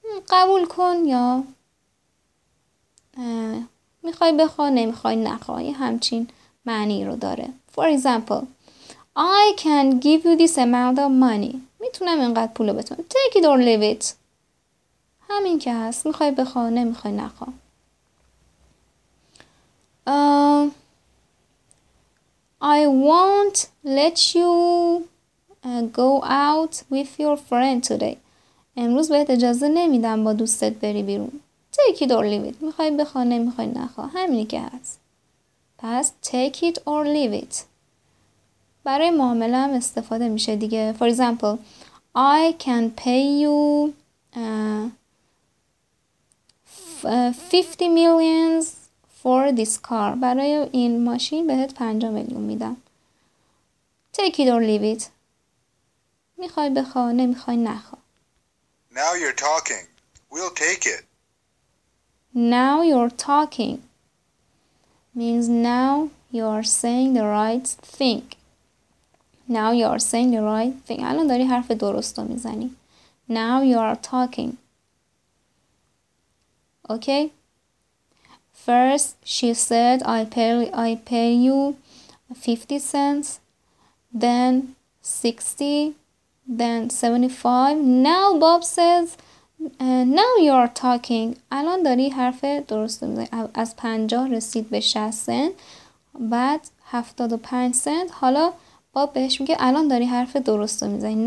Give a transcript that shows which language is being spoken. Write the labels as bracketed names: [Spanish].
[Persian] قبول کن یا میخوای بخوای نمیخوای نخوای همچین معنی رو داره. [English] For example, I can give you this amount of money. [Persian] میتونم اینقدر پول بهت بدم. [English] Take it or leave it. [Persian] همین که هست. میخوای بخوای نمیخوای نخوای. [English] I won't let you go out with your friend today. [Persian] امروز بهت اجازه نمیدم با دوستت بری بیرون. [English] Take it or leave it. [Persian] میخوای بخوا نمیخوای نخوا. همینی که هست. پس [English] take it or leave it. [Persian] برای معامله هم استفاده میشه دیگه. [English] For example, I can pay you 50 millions for this car. [Persian] برای این ماشین بهت 5 میلیون میدم. [English] Take it or leave it. [Persian] میخوای بخوا نمیخوای نخوا. [English] Now you're talking. We'll take it. Now you're talking means now you are saying the right thing. Now you are saying the right thing. [Persian] الان داری حرف درست رو میزنی. [English] Now you are talking. Okay? First she said I pay you 50 cents, then 60, then 75. Now Bob says now you are talking. [Persian] الان داری حرف درست رو میزنی. از 50 رسید به 60 سنت. بعد 75 سنت. حالا باب بهش میگه الان داری حرف درست رو میزنی.